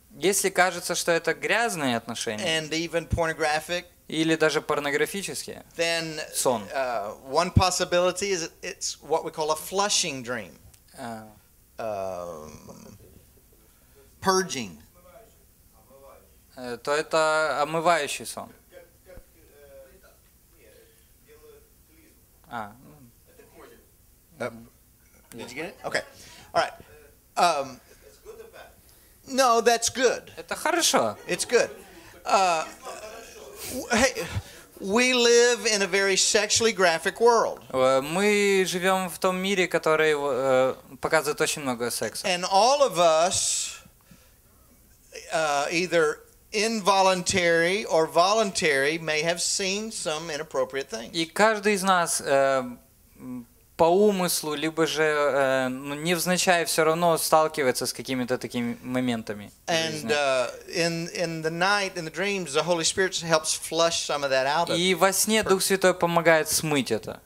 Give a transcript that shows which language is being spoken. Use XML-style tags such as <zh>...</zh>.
<ru>если кажется, что это грязные отношения,</ru> <en>and even pornographic,</en> <ru>или даже порнографические,</ru> <en>then,</en> <ru>сон.</ru> <en>One possibility is it's what we call a flushing dream. Purging.</en> <ru>То это омывающий сон.</ru> <en>Did you get it? Okay. All right. No, that's good.</en> <ru>Это хорошо.</ru> <en>It's good. We live in a very sexually graphic world.</en> <ru>Мы живем в том мире, который показывает очень много секса.</ru> <en>And all of us, either involuntary or voluntary, may have seen some inappropriate things.</en> <ru>И каждый из нас по умыслу, либо же невзначай, все равно сталкивается с какими-то такими моментами.</ru> <en>And in the night, in the dreams, the Holy Spirit helps flush some of that out.</en> <ru>И во сне Дух Святой помогает смыть это.</ru>